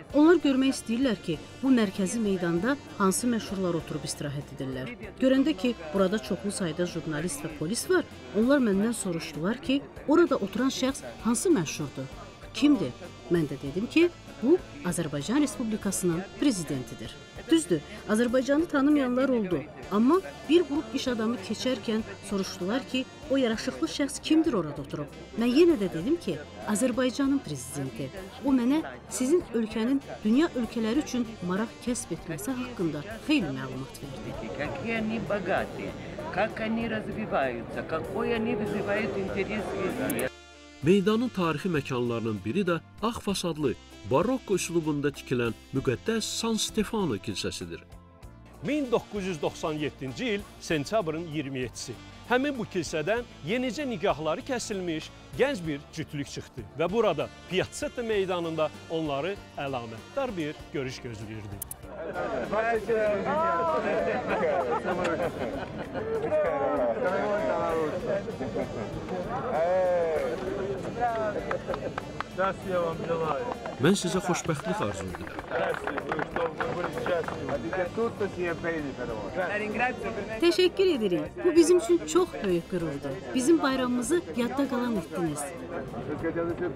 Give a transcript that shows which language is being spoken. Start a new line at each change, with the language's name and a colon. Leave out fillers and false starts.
Azerbaijani: Onlar görmək istəyirlər ki, bu mərkəzi meydanda hansı məşhurlar oturub istirahət edirlər. Görəndə ki, burada çoxlu sayda jurnalist və polis var, onlar məndən soruşdular ki, orada oturan şəxs hansı məşhurdur, kimdir? Mən də dedim ki, bu, Azərbaycan Respublikasının prezidentidir. Düzdür, Azərbaycanı tanımayanlar oldu. Amma bir qrup iş adamı keçərkən soruşdular ki, o yaraşıqlı şəxs kimdir orada oturub? Mən yenə də dedim ki, Azərbaycanın prezidenti. O mənə sizin ölkənin dünya ölkələri üçün maraq kəsb etməsi haqqında xeyli məlumat verdi.
Russian: Какие они богатые, как они развиваются, какой они вызывают интерес в мире.
Azerbaijani: Meydanın tarixi məkanlarının biri də ağ fasadlı, barokko üslubunda tikilən müqəddəs San Stefano kilsəsidir. 1997-ci il sentyabrın 27-si. Həmin bu kilsədən yenicə nigahları kəsilmiş gənc bir cütlük çıxdı və burada Piazzetta meydanında onları əlamətdar bir görüş gözləyirdi. Mən sizə xoşbəxtlik arzu edirəm. Təşəkkür edirik. Bu bizim üçün çox böyük qüruldu. Bizim bayramımızı yadda qalan etdiniz.